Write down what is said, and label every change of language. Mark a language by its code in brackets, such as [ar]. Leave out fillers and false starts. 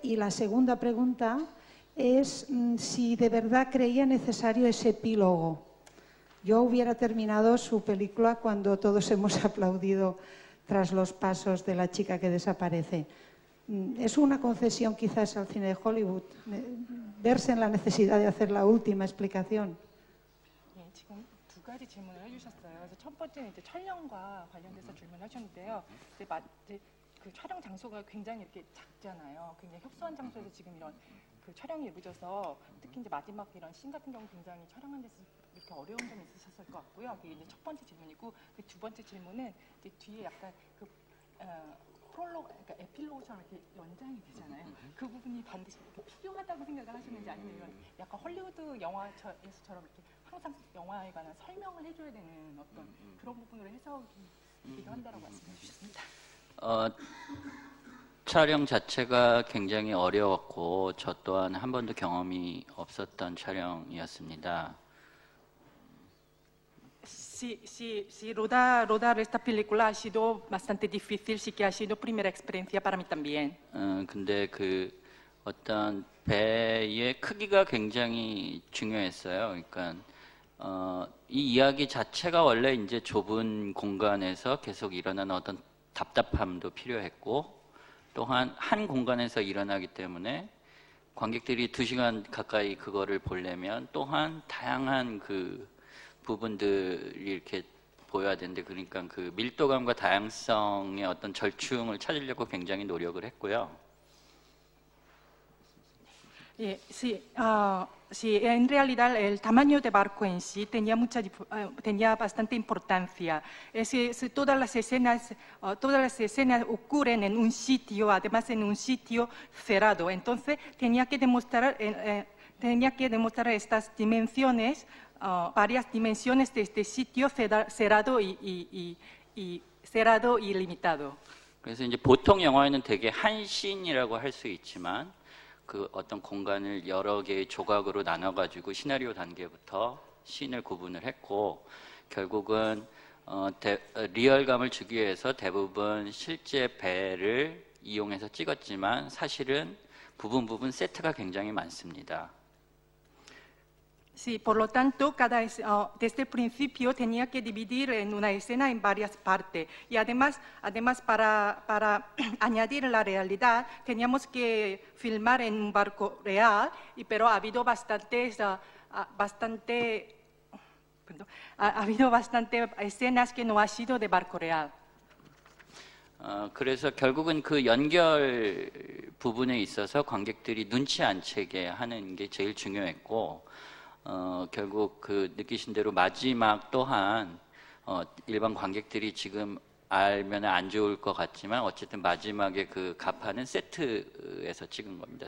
[es] Y la segunda pregunta es si de verdad creía necesario ese epílogo. Yo hubiera terminado su película cuando todos hemos aplaudido tras los pasos de la chica que desaparece. Es una concesión quizás al cine de Hollywood, verse en la necesidad de hacer la última explicación. [ko] 두 가지 질문을 해주셨어요. 그래서 첫 번째는 이제 촬영과 관련돼서 질문을 하셨는데요. 이제 그 촬영 장소가 굉장히 이렇게 작잖아요. 굉장히 협소한 장소에서 지금 이런 그 촬영이 이루어져서 특히 이제 마지막 이런 씬 같은 경우 굉장히 촬영한 데서 이렇게 어려운 점이 있으셨을 것 같고요. 그게 이제 첫 번째 질문이고 그 두 번째 질문은 이제 뒤에 약간 그 프롤로그, 그러니까 에필로그처럼 이렇게 연장이 되잖아요. 그 부분이 반드시 이렇게 필요하다고 생각을 하시는지 아니면 이런 약간 헐리우드 영화에서처럼 이렇게 항상 영화에 관한 설명을 해줘야 되는 어떤 그런 부분으로 해석이기도 한다라고 말씀해 주셨습니다. 촬영 자체가 굉장히 어려웠고 저 또한 한 번도 경험이 없었던 촬영이었습니다. [es] Sí, rodar esta película ha sido bastante difícil, sí que ha sido primera experiencia para mí también. [ko] 근데 그 어떤 배의 크기가 굉장히 중요했어요. 그러니까 이 이야기 자체가 원래 이제 좁은 공간에서 계속 일어나는 어떤 답답함도 필요했고 또한 한 공간에서 일어나기 때문에 관객들이 두 시간 가까이 그거를 보려면 또한 다양한 그 부분들이 이렇게 보여야 되는데 그러니까 그 밀도감과 다양성의 어떤 절충을 찾으려고 굉장히 노력을 했고요. [es] Sí, sí, en realidad el tamaño de barco en sí tenía bastante importancia. Todas las escenas ocurren en un sitio, además en un sitio cerrado. Entonces tenía que demostrar estas dimensiones. Varias dimensiones de este sitio cerrado y cerrado y limitado. [ko] 그래서 이제 보통 영화에는 되게 한 씬이라고 할 수 있지만 그 어떤 공간을 여러 개의 조각으로 나눠 가지고 시나리오 단계부터 씬을 구분을 했고 결국은 리얼감을 주기 위해서 대부분 실제 배를 이용해서 찍었지만 사실은 부분 세트가 굉장히 많습니다. [es] Sí, por lo tanto, desde el principio tenía que dividir en una escena en varias partes. Y además para añadir la realidad, teníamos que filmar en un barco real, pero ha habido bastante escenas que no ha sido de barco real. [ko] 그래서 결국은 그 연결 부분에 있어서 관객들이 눈치 안 채게 하는 게 제일 중요했고 결국 그 느끼신 대로 마지막 또한 일반 관객들이 지금 알면 안 좋을 것 같지만 어쨌든 마지막에 그 가판은 세트에서 찍은 겁니다.